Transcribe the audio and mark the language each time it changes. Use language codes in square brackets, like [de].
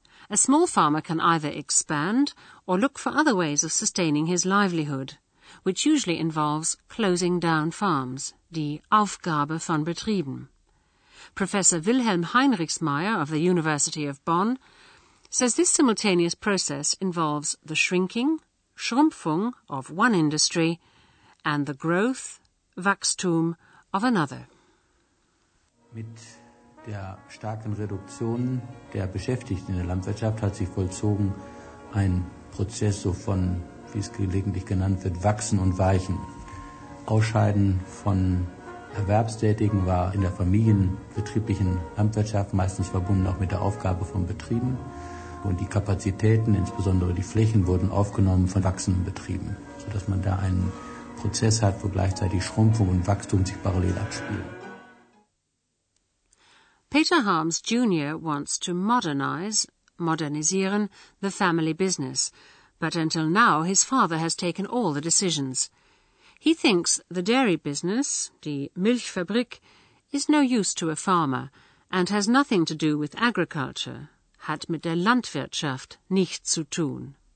[en] A small farmer can either expand or look for other ways of sustaining his livelihood, which usually involves closing down farms, [de] die Aufgabe von Betrieben. [en] Professor Wilhelm Heinrichsmeier of the University of Bonn says this simultaneous process involves the shrinking, Schrumpfung of one industry and the growth, Wachstum of another. [de] Mit der starken Reduktion der Beschäftigten in der Landwirtschaft hat sich vollzogen ein Prozess so von, wie es gelegentlich genannt wird, Wachsen und Weichen. Ausscheiden von Erwerbstätigen war in der familienbetrieblichen Landwirtschaft meistens verbunden auch mit der Aufgabe von Betrieben. Und die Kapazitäten, insbesondere die Flächen, wurden aufgenommen von wachsenden Betrieben, sodass man da einen Prozess hat, wo gleichzeitig Schrumpfung und Wachstum sich parallel abspielen. [en] Peter Harms Jr. wants to modernisieren the family business, but until now his father has taken all the decisions. He thinks the dairy business, die Milchfabrik, is no use to a farmer and has nothing to do with agriculture, [de] hat mit der Landwirtschaft nichts zu tun.